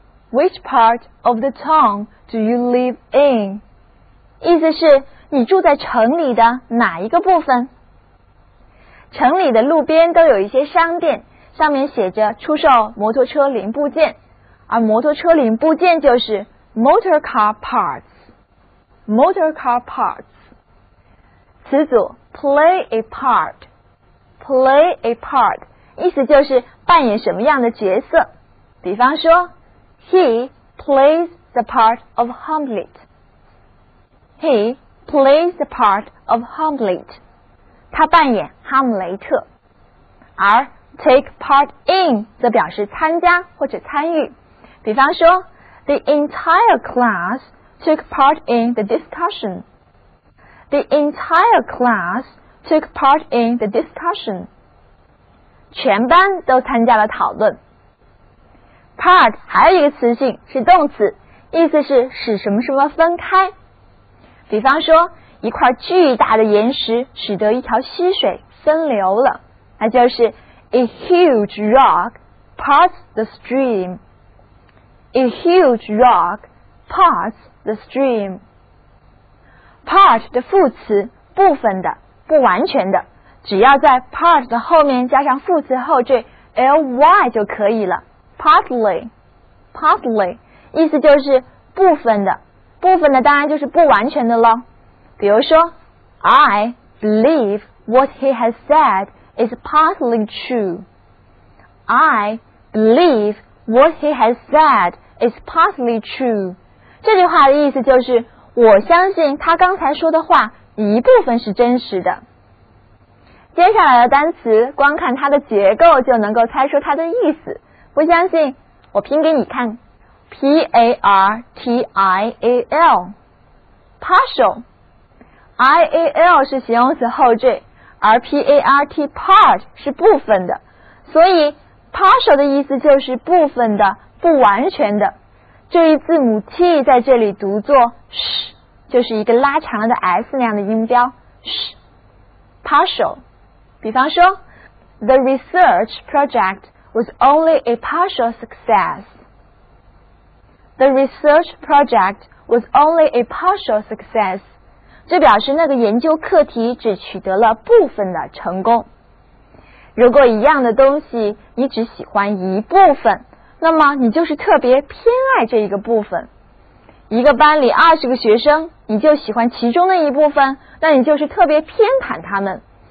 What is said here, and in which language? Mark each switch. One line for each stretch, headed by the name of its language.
English: Which part of the town do you live in?
Chinese: 意思是你住在城里的哪一个部分？城里的路边都有一些商店，上面写着出售摩托车零部件，而摩托车零部件就是
English: motor car parts。 motor car parts
Chinese: 词组
English: play a part，
Chinese: play a part 意思就是扮演什么样的角色。比方说
English: He plays the part of Hamlet. He plays the part of Hamlet.
Chinese: 他扮演哈姆雷特。而 take part in 则表示参加或者参与。比方说 ,
English: the entire class took part in the discussion. The entire class took part in the discussion.
Chinese: 全班都参加了讨论。 Part 还有一个词性是动词，意思是使什么什么分开。比方说一块巨大的岩石使得一条溪水分流了，那就是
English: A huge rock parts the stream. A huge rock parts the stream.
Chinese: Part 的副词部分的不完全的，只要在 part 的后面加上副词后缀 ly 就可以了。 Partly, partly 意思就是部分的，部分的当然就是不完全的了。比如说
English: I believe what he has said is partly true. I believe what he has said is partly true.
Chinese: 这句话的意思就是我相信他刚才说的话一部分是真实的。接下来的单词光看它的结构就能够猜出它的意思，不相信我拼给你看。 P-A-R-T-I-A-L partial， I-A-L 是形容词后缀，而 P-A-R-T part 是部分的，所以 partial 的意思就是部分的，不完全的。这一字母 T 在这里读作 sh， 就是一个拉长了的 S 那样的音标 sh partial。比方说
English: The research projectwas only a partial success. The research project was only a partial success.
Chinese: 这表示那个研究课题只取得了部分的成功。如果一样的东西你只喜欢一部分，那么你就是特别偏爱这一个部分。一个班里二十个学生，你就喜欢其中的一部分，那你就是特别偏袒他们。